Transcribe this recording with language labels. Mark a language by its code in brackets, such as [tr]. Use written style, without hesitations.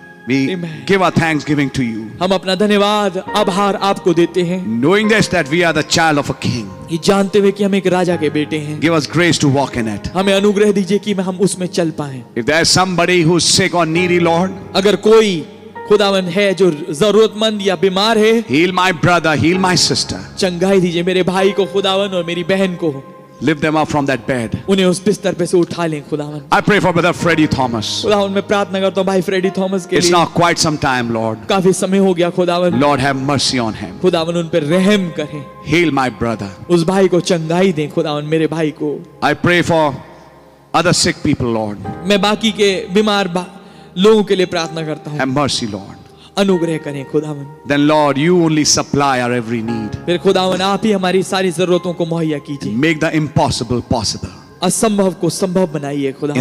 [en] We give our thanksgiving to you. [hi] हम अपना धन्यवाद आभार आपको देते हैं. [en] Knowing this that we are the child of a king. [hi] ये जानते हुए कि हम एक राजा के बेटे हैं. [en] Give us grace to walk in it. [hi] हमें अनुग्रह दीजिए कि हम उसमें चल पाएं. [en] If there is somebody who is sick or needy, Lord. [hi] अगर कोई खुदावन है जो जरूरतमंद या बीमार है. [en] Heal my brother, heal my sister. [hi] चंगाई दीजिए मेरे भाई को खुदावन और मेरी बहन को. [en] Lift them up from that bed. [hi] उन्हें उस बिस्तर पे से उठा लें खुदावन. [en] I pray for brother Freddy Thomas. [hi] खुदावन मैं प्रार्थना करता हूँ भाई फ्रेडी थॉमस के लिए. [en] It's now quite some time, Lord. [hi] काफी समय हो गया खुदावन. [en] Lord have mercy on him. [hi] खुदावन उन पे रहम करें. [en] Heal my brother. [hi] उस भाई को चंगाई दें खुदावन मेरे भाई को. [en] I pray for other sick people, Lord. [hi] मैं बाकी के बीमार लोगों के लिए प्रार्थना करता हूँ. [en] Have mercy, Lord. [hi] अनुग्रह करें खुदावन. [en] Then Lord, you only supply our every need. [hi] फिर खुदावन आप ही हमारी सारी जरूरतों को मुहैया कीजिए. [en] Make the impossible possible. [hi] असंभव को संभव बनाइए खुदावन.